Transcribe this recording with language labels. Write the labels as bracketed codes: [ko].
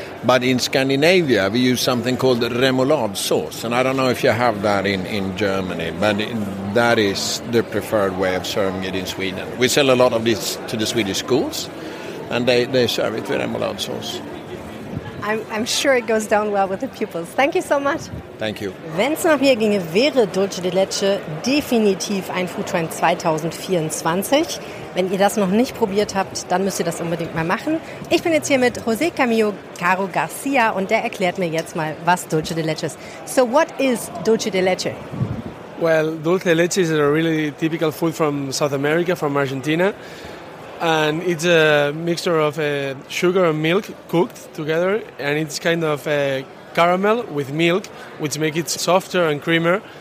[en] But in Scandinavia, we use something called remoulade sauce. And I don't know if you have that in Germany, but that is the preferred way of serving it in Sweden. We sell a lot of this to the Swedish schools, and they serve it with remoulade sauce. I'm sure it goes down well with the pupils. Thank you so much. Thank you. [de] Wenn es nach mir ginge, wäre Dulce de Leche definitiv ein Foodtrend 2024. Wenn ihr das noch nicht probiert habt, dann müsst ihr das unbedingt mal machen. Ich bin jetzt hier mit José Camillo Caro Garcia und der erklärt mir jetzt mal, was Dulce de Leche ist. [en] So what is Dulce de Leche? Well, Dulce de Leche is a really typical food from South America, from Argentina. And it's a mixture of sugar and milk cooked together. And it's kind of a caramel with milk, which makes it softer and creamier.